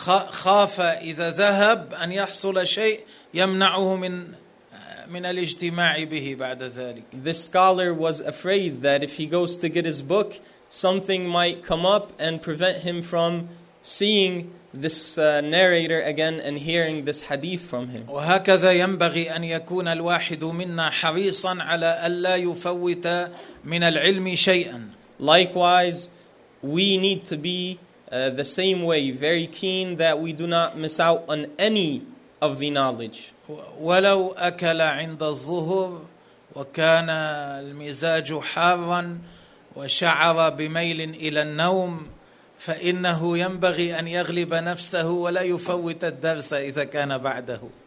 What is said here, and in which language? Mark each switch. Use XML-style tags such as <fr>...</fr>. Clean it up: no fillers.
<ar>خاف إذا ذهب أن يحصل شيء يمنعه من الاجتماع به بعد ذلك.</ar> <en>This scholar was afraid that if he goes to get his book, something might come up and prevent him from seeing this narrator again and hearing this hadith from him.</en> <ar>وهكذا ينبغي أن يكون الواحد منا حريصا على ألا يفوت من العلم شيئا.</ar> <en>Likewise, we need to be the same way, very keen that we do not miss out on any of the knowledge.</en> <ar>ولو أكل عند الظهر وكان المزاج حارا وشعر بميل إلى النوم فإنه ينبغي أن يغلب نفسه ولا يفوت الدرس إذا كان بعده.</ar>